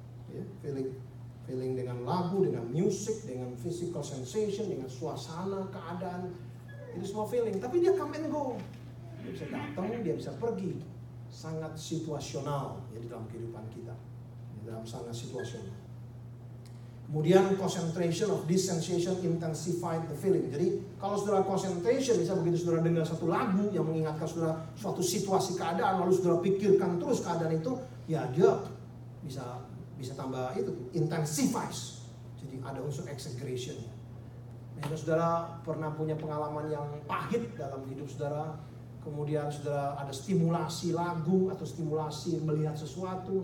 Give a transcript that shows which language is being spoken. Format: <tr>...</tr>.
<id>Ya, feeling. Feeling dengan lagu, dengan music, dengan physical sensation, dengan suasana, keadaan. Itu semua feeling, tapi dia come and go. Dia bisa datang, dia bisa pergi. Sangat situasional ya di dalam kehidupan kita. Di dalam sangat situasional.</id> <en>Kemudian concentration of this sensation intensified the feeling.</en> <id>Jadi kalau saudara concentration, misalnya begitu saudara dengar satu lagu yang mengingatkan saudara suatu situasi keadaan, lalu saudara pikirkan terus keadaan itu, ya dia bisa tambah itu, intensifies. Jadi ada unsur exaggeration. Misalnya saudara pernah punya pengalaman yang pahit dalam hidup saudara, kemudian saudara ada stimulasi lagu atau stimulasi melihat sesuatu.</id>